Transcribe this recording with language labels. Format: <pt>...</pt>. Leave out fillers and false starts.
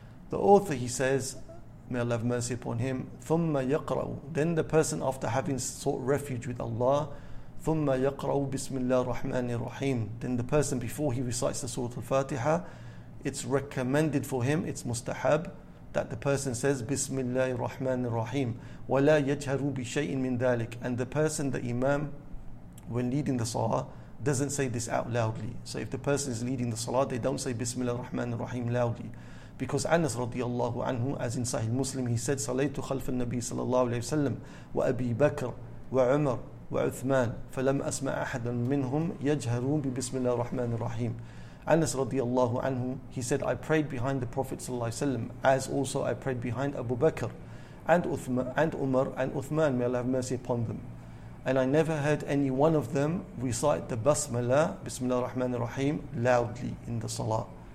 <en>The author, he says, may Allah have mercy upon him,</en> <ar>ثُمَّ يَقْرَوُ,</ar> <en>then the person after having sought refuge with Allah,</en> <ar>ثُمَّ يَقْرَوُ بِسْمِ اللَّهِ الرَّحْمَنِ الرَّحِيمِ,</ar> <en>then the person before he recites the Surah Al-Fatiha, it's recommended for him, it's mustahab, that the person says Bismillah ar-Rahman ar-Rahim,</en> <ar>وَلَا يَجْهَرُوا بِشَيْءٍ مِّن ذَلِكَ,</ar> <en>and the person, the imam, when leading the salah, doesn't say this out loudly. So if the person is leading the salah, they don't say Bismillah ar-Rahman ar-Rahim loudly. Because Anas radiallahu anhu, as in Sahih Muslim, he said,</en> <ar>صَلَيْتُ خَلْفَ النَّبِي صلى الله عليه وسلم وَأَبِي بَكْر وَعُمَر وَعُثْمَان فَلَمْ أَسْمَعَ أَحَدًا مِّنْهُمْ يَجْهَرُوا بِبِسْمِ اللَّهِ الرَّحْمَنِ الرَّحِيمِ.</ar> <en>Anas radiallahu anhu, he said, I prayed behind the Prophet sallallahu alayhi wa sallam, as also I prayed behind Abu Bakr and Umar and Uthman, may Allah have mercy upon them. And I never heard any one of them recite the Basmala, Bismillah ar-Rahman ar-Rahim, loudly in the salah.</en>